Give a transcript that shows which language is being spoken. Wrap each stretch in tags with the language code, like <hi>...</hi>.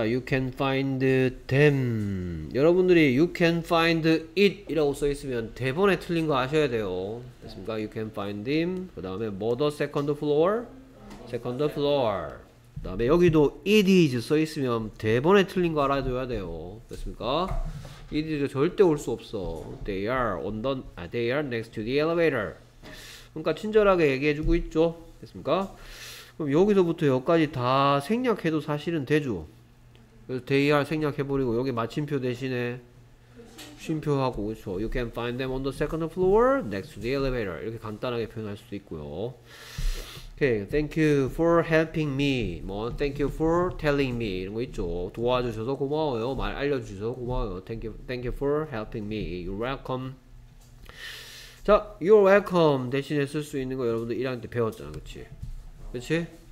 <en>You can find them.</en> <ko>여러분들이 you can find it 이라고 써있으면 대본에 틀린 거 아셔야 돼요. 됐습니까?</ko> <en>You can find him.</en> <ko>그 다음에 뭐</ko> <en>the second floor? Second floor.</en> <ko>그 다음에 여기도 it is 써있으면 대본에 틀린 거 알아줘야 돼요. 됐습니까? It is 절대 올 수 없어.</ko> <en>They are on the, they are next to the elevator.</en> <ko>그러니까 친절하게 얘기해주고 있죠. 됐습니까? 그럼 여기서부터 여기까지 다 생략해도 사실은 되죠. 그래서 they are 생략해버리고 여기 마침표 대신에 쉼표하고 그렇죠.</ko> <en>You can find them on the second floor next to the elevator.</en> <ko>이렇게 간단하게 표현할 수도 있고요.</ko> <en>Okay, thank you for helping me. 뭐, thank you for telling me. 이런 거 있죠.</en> <ko>도와주셔서 고마워요. 말 알려주셔서 고마워요.</ko> <en>Thank you for helping me. You're welcome.</en> <ko>자, you're welcome 대신에 쓸 수 있는 거 여러분들 1학년 때 배웠잖아. 그치? 그치? 네.</ko>